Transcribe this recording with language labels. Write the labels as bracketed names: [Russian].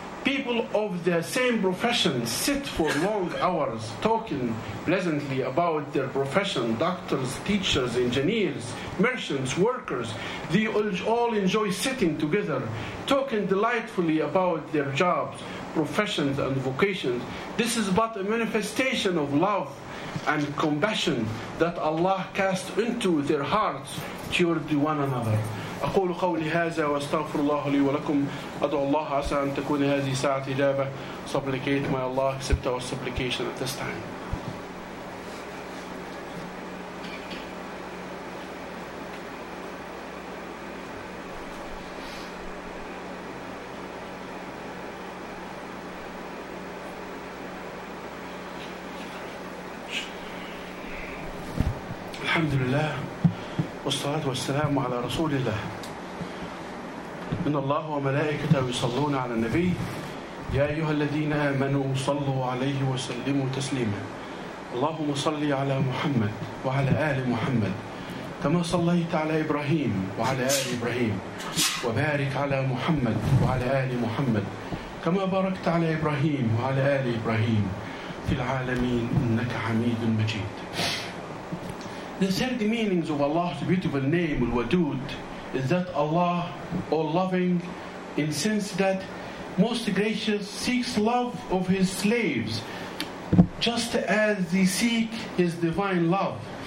[English] people of the same profession sit for long hours talking pleasantly about their profession, doctors, teachers, engineers, merchants, workers, they all enjoy sitting together, talking delightfully about their jobs, professions, and vocations. This is but a manifestation of love and compassion that Allah cast into their hearts toward one another. [Arabic] أقول قولي هذا وأستغفر الله لي ولكم أدعو الله عسى أن تكون هذه ساعة إجابة [English] supplicate my Allah accept our supplication at this time. [Arabic] الحمد لله والصلاة والسلام على رسول الله إن الله وملائكته يصلون على النبي يا أيها الذين آمنوا صلوا عليه وسلموا تسليما اللهم صل على محمد وعلى آل محمد كما صليت على إبراهيم وعلى آل إبراهيم وبارك على محمد وعلى آل محمد كما باركت على إبراهيم وعلى آل إبراهيم في العالمين إنك حميد مجيد. [English] The third meaning of Allah's beautiful name, Al-Wadud, is that Allah, all-loving, in sense that most gracious, seeks love of His slaves, just as they seek His divine love.